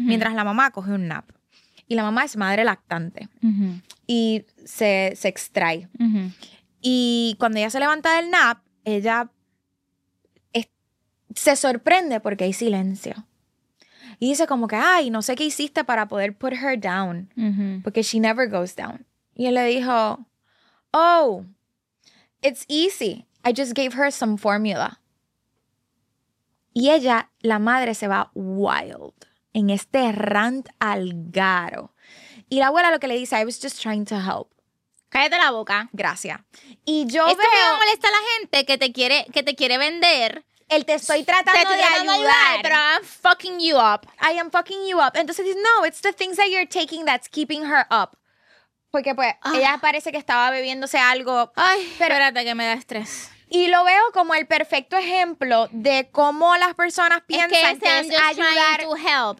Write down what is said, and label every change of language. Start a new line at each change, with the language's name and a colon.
Spanish: mientras la mamá coge un nap. Y la mamá es madre lactante uh-huh. y se extrae. Uh-huh. Y cuando ella se levanta del nap, ella se sorprende porque hay silencio. Y dice como que, ay, no sé qué hiciste para poder
English: put her down.
Spanish: Uh-huh.
English: Porque she never goes down.
Spanish: Y él le dijo,
English: oh, it's easy. I just gave her some formula.
Spanish: Y ella, la madre, se va wild en este rant al garo. Y la abuela lo que le dice,
English: I was just trying to help.
Spanish: Cállate la boca. Gracias. Y yo esto veo... Esto me molesta a la gente que te quiere vender. El te estoy tratando te estoy de ayudar. Ayudar. Pero
English: I'm fucking you up. I am fucking you up.
Spanish: Entonces, no,
English: it's the things that you're taking that's keeping her up.
Spanish: Porque, pues, ella parece que estaba bebiéndose algo. Ay, pero, espérate que me da estrés. Y lo veo como el perfecto ejemplo de cómo las personas piensan que es ayudar.